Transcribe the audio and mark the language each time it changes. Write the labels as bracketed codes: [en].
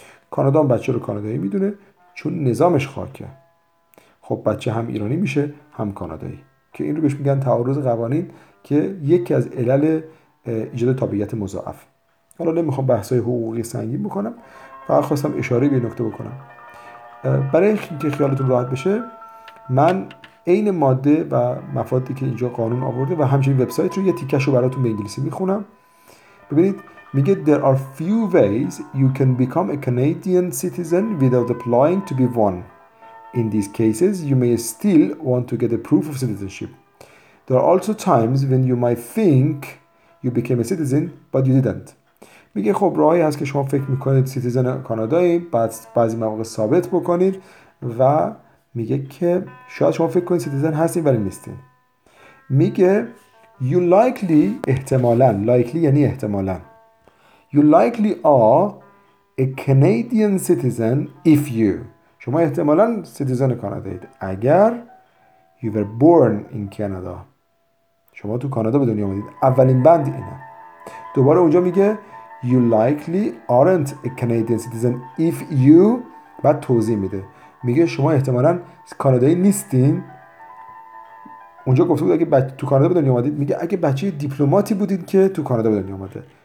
[fa] کانادا هم بچه رو کانادایی میدونه چون نظامش خاکه. خب بچه هم ایرانی میشه هم کانادایی، که این رو بهش میگن تعارض قوانین، که یکی از علل ایجاد تابعیت مضاعف. حالا نمیخوام بحث‌های حقوقی سنگین بکنم، فقط خواستم اشاره به نکته بکنم. برای اینکه خیالتون راحت بشه، من عین ماده و مفادی که اینجا قانون آورده و همچنین وبسایت رو یه تیکش رو براتون به انگلیسی میخونم. ببینید، میگه [en] there are few ways you can become a Canadian citizen without applying to be one. In these cases, you may still want to get a proof of citizenship. There are also times when you might think you became a citizen, but you didn't. [fa] میگه خب راهی هست که شما فکر میکنید سیتیزن کانادایی، بعد بعضی مواقع ثابت بکنید، و میگه که شاید شما فکر کنید سیتیزن هستین ولی نیستین. میگه [en] you likely، احتمالاً، likely [fa] یعنی احتمالاً، [en] you likely are a Canadian citizen if you، [fa] شما احتمالاً سیتیزن کانادایید اگر [en] you were born in Canada، [fa] شما تو کانادا به دنیا آمدید. اولین بند اینه. دوباره اونجا میگه [en] you likely aren't a Canadian citizen if you، [fa] بعد توضیح میده، میگه شما احتمالاً کانادایی نیستین. اونجا گفته بود اگه تو کانادا به دنیا آمدید، میگه اگه بچه دیپلماتی بودید که تو کانادا به دنیا آمده.